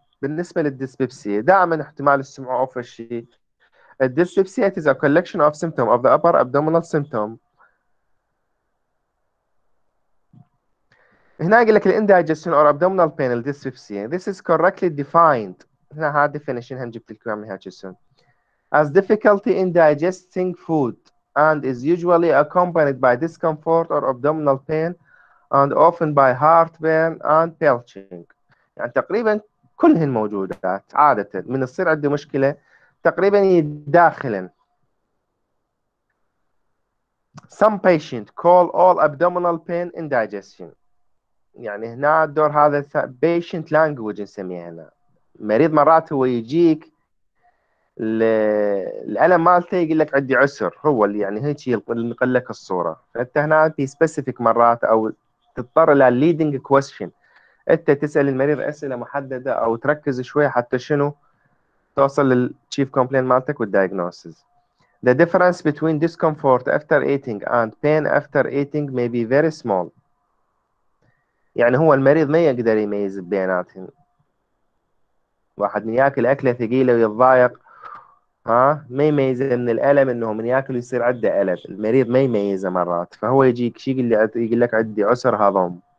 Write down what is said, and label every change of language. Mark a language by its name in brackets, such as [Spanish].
[Arabic] بالنسبه للديسبيبسي دائما احتمال السمع اوف الشيء. [English] الديسبيبسي is a collection of symptom of the upper abdominal symptom. [Arabic] هنا يقول لك [English] الاندايجستن or abdominal pain الديسبيبسي this is correctly defined. [Arabic] هنا هذا ديفينيشن هم جبت لكم اياها جسون. [English] As difficulty in digesting food and is usually accompanied by discomfort or abdominal pain and often by heartburn and belching. [Arabic] يعني تقريبا كلهن موجودات عادة من يصير عنده مشكلة تقريبا داخلا. [English] Some patients call all abdominal pain indigestion. [Arabic] يعني هنا الدور هذا [English] patient language [Arabic] نسميه هنا. مريض مرات هو يجيك الألم مالته يقول لك عندي عسر، هو اللي يعني هيك ينقل لك الصورة. فأنت هنا في specific مرات أو تضطر إلى [English] leading question، [Arabic] أنت تسأل المريض أسئلة محددة أو تركز شوية حتى شنو توصل لل chief complaint مالتك والdiagnosis. [English] The difference between discomfort after eating and pain after eating may be very small. [Arabic] يعني هو المريض ما يقدر يميز بيناتهم. واحد من يأكل أكلة ثقيلة ويتضايق، ها ما يميز من الألم إنه من يأكل يصير عنده ألم. المريض ما يميزه مرات، فهو يجيك شيء يقول لك عندي عسر هضم.